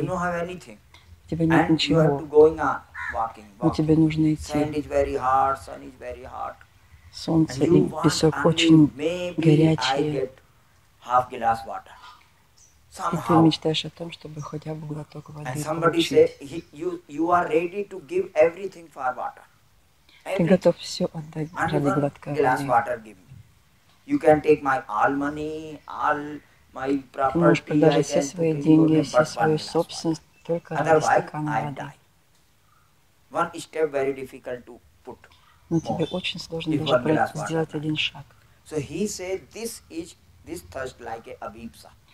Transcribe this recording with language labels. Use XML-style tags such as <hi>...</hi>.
<en>You don't have anything.</en> <ru>У тебя нет</ru> <en>and</en> <ru>ничего.</ru> <en>You have to going on, walking.</en> <ru>Но тебе нужно идти.</ru> <en>Sand is very hot, sun is very hot.</en> <ru>Солнце и песок очень горячие.</ru> <en>Half glass water.</en> <ru>И ты мечтаешь о том, чтобы хотя бы глоток воды получить.</ru> <en>And somebody say, you are ready to give everything for water.</en> <ru>Ты готов все отдать ради глотка воды.</ru> <en>Glass water give me. You can take my all money, all my property.</en> <ru>Ты можешь продать все свои деньги, все свою собственность только ради стакана воды.</ru> <en>One step very difficult to put.</en> <ru>Но тебе очень сложно даже сделать один шаг.</ru> <en>So he said, this thirst like a abhipsa.</en>